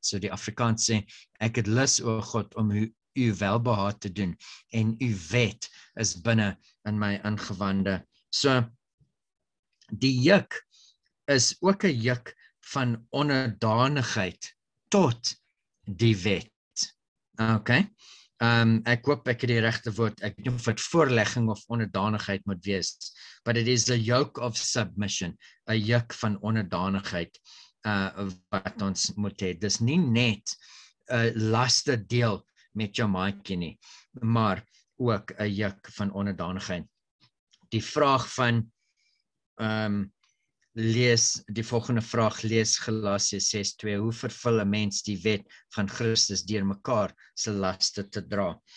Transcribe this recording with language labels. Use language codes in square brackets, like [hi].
[af] So die Afrikaans sê ek het lus o God om u welbehaag te doen en u wet is binne in my ingewande. So die juk is ook 'n juk van onderdanigheid tot die wet. OK? Ek hoop ek het die regte woord. Ek weet nie of dit voorlegging of onderdanigheid moet wees. [en] But it is a yoke of submission. [af] A juk van onderdanigheid wat ons moet hê. Dis nie net 'n laste deel met jou maatjie nie, maar ook 'n juk van onderdanigheid. Die vraag van lees die volgende vraag, lees Galasië 6:2. Hoe vervul een mens die wet van Christus door mekaar sy laste te dra?